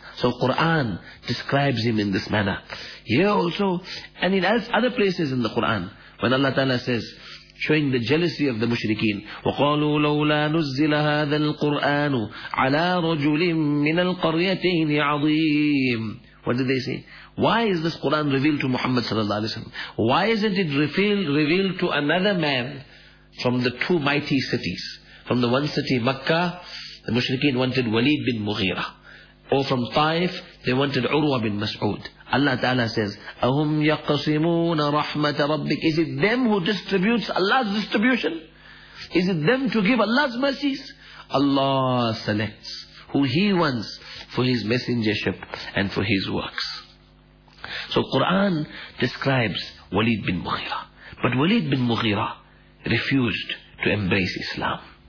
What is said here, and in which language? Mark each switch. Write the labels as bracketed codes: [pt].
[en] So Quran describes him in this manner. Here also, and in other places in the Quran, when Allah Ta'ala says, showing the jealousy of the mushrikeen, [ar] وَقَالُوا لَوْلَا نُزِّلَ هَذَا الْقُرْآنُ عَلَى رَجُلٍ مِّنَ الْقَرْيَتَيْنِ عَظِيمٍ. [en] What did they say? Why is this Quran revealed to Muhammad sallallahu alaihi wasallam? Why isn't it revealed to another man from the 2 mighty cities? From the one city, Makkah, the mushrikeen wanted Walid bin Mughira. Or from Taif, they wanted Urwa bin Mas'ud. Allah Ta'ala says, [ar] أَهُمْ يَقْسِمُونَ رَحْمَةَ رَبِّكَ. [en] Is it them who distributes Allah's distribution? Is it them to give Allah's mercies? Allah selects who He wants for His messengership and for His works. So Quran describes Walid bin Mughira. But Walid bin Mughira refused to embrace Islam.